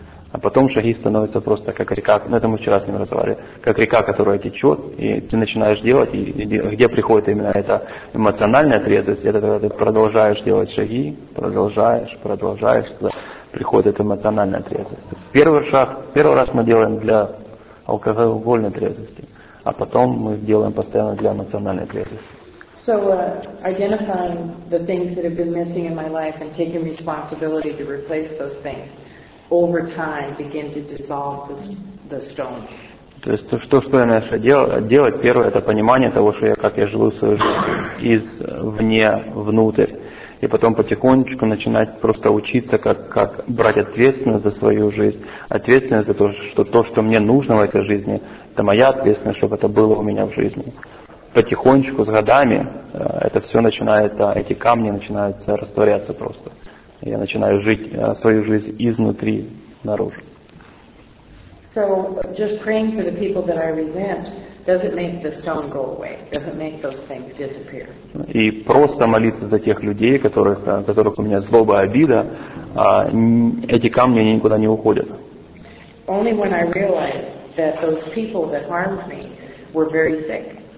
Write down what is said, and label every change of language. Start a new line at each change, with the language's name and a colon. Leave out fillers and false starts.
Russian: А потом шаги становятся просто как река, ну это мы вчера с ним разговаривали, как река, которая течет, и ты начинаешь делать, и где приходит именно эта эмоциональная трезвость, это когда ты продолжаешь делать шаги, продолжаешь, туда приходит эта эмоциональная трезвость. То есть, первый раз мы делаем для алкогольной трезвости, а потом мы делаем постоянно для эмоциональной трезвости.
English: So identifying the things that have been missing in my life and taking responsibility to replace those things over time begin to dissolve the stone.
Russian: То есть что я начал делать, первое, это понимание того, что я как я живу свою жизнь извне внутрь, и потом потихонечку начинать просто учиться, как брать ответственность за свою жизнь, ответственность за то, что мне нужно в этой жизни, это моя ответственность, чтобы это было у меня в жизни. Потихонечку, с годами, это все начинает, эти камни начинают растворяться просто. Я начинаю жить свою жизнь изнутри, наружу.
English: So, just praying for the people that I resent, doesn't make the stone go away, doesn't make those things disappear.
Russian: И просто молиться за тех людей, которых у меня злоба и обида, эти камни никуда не уходят.
English: Only when I realized that those people that harmed me were very sick.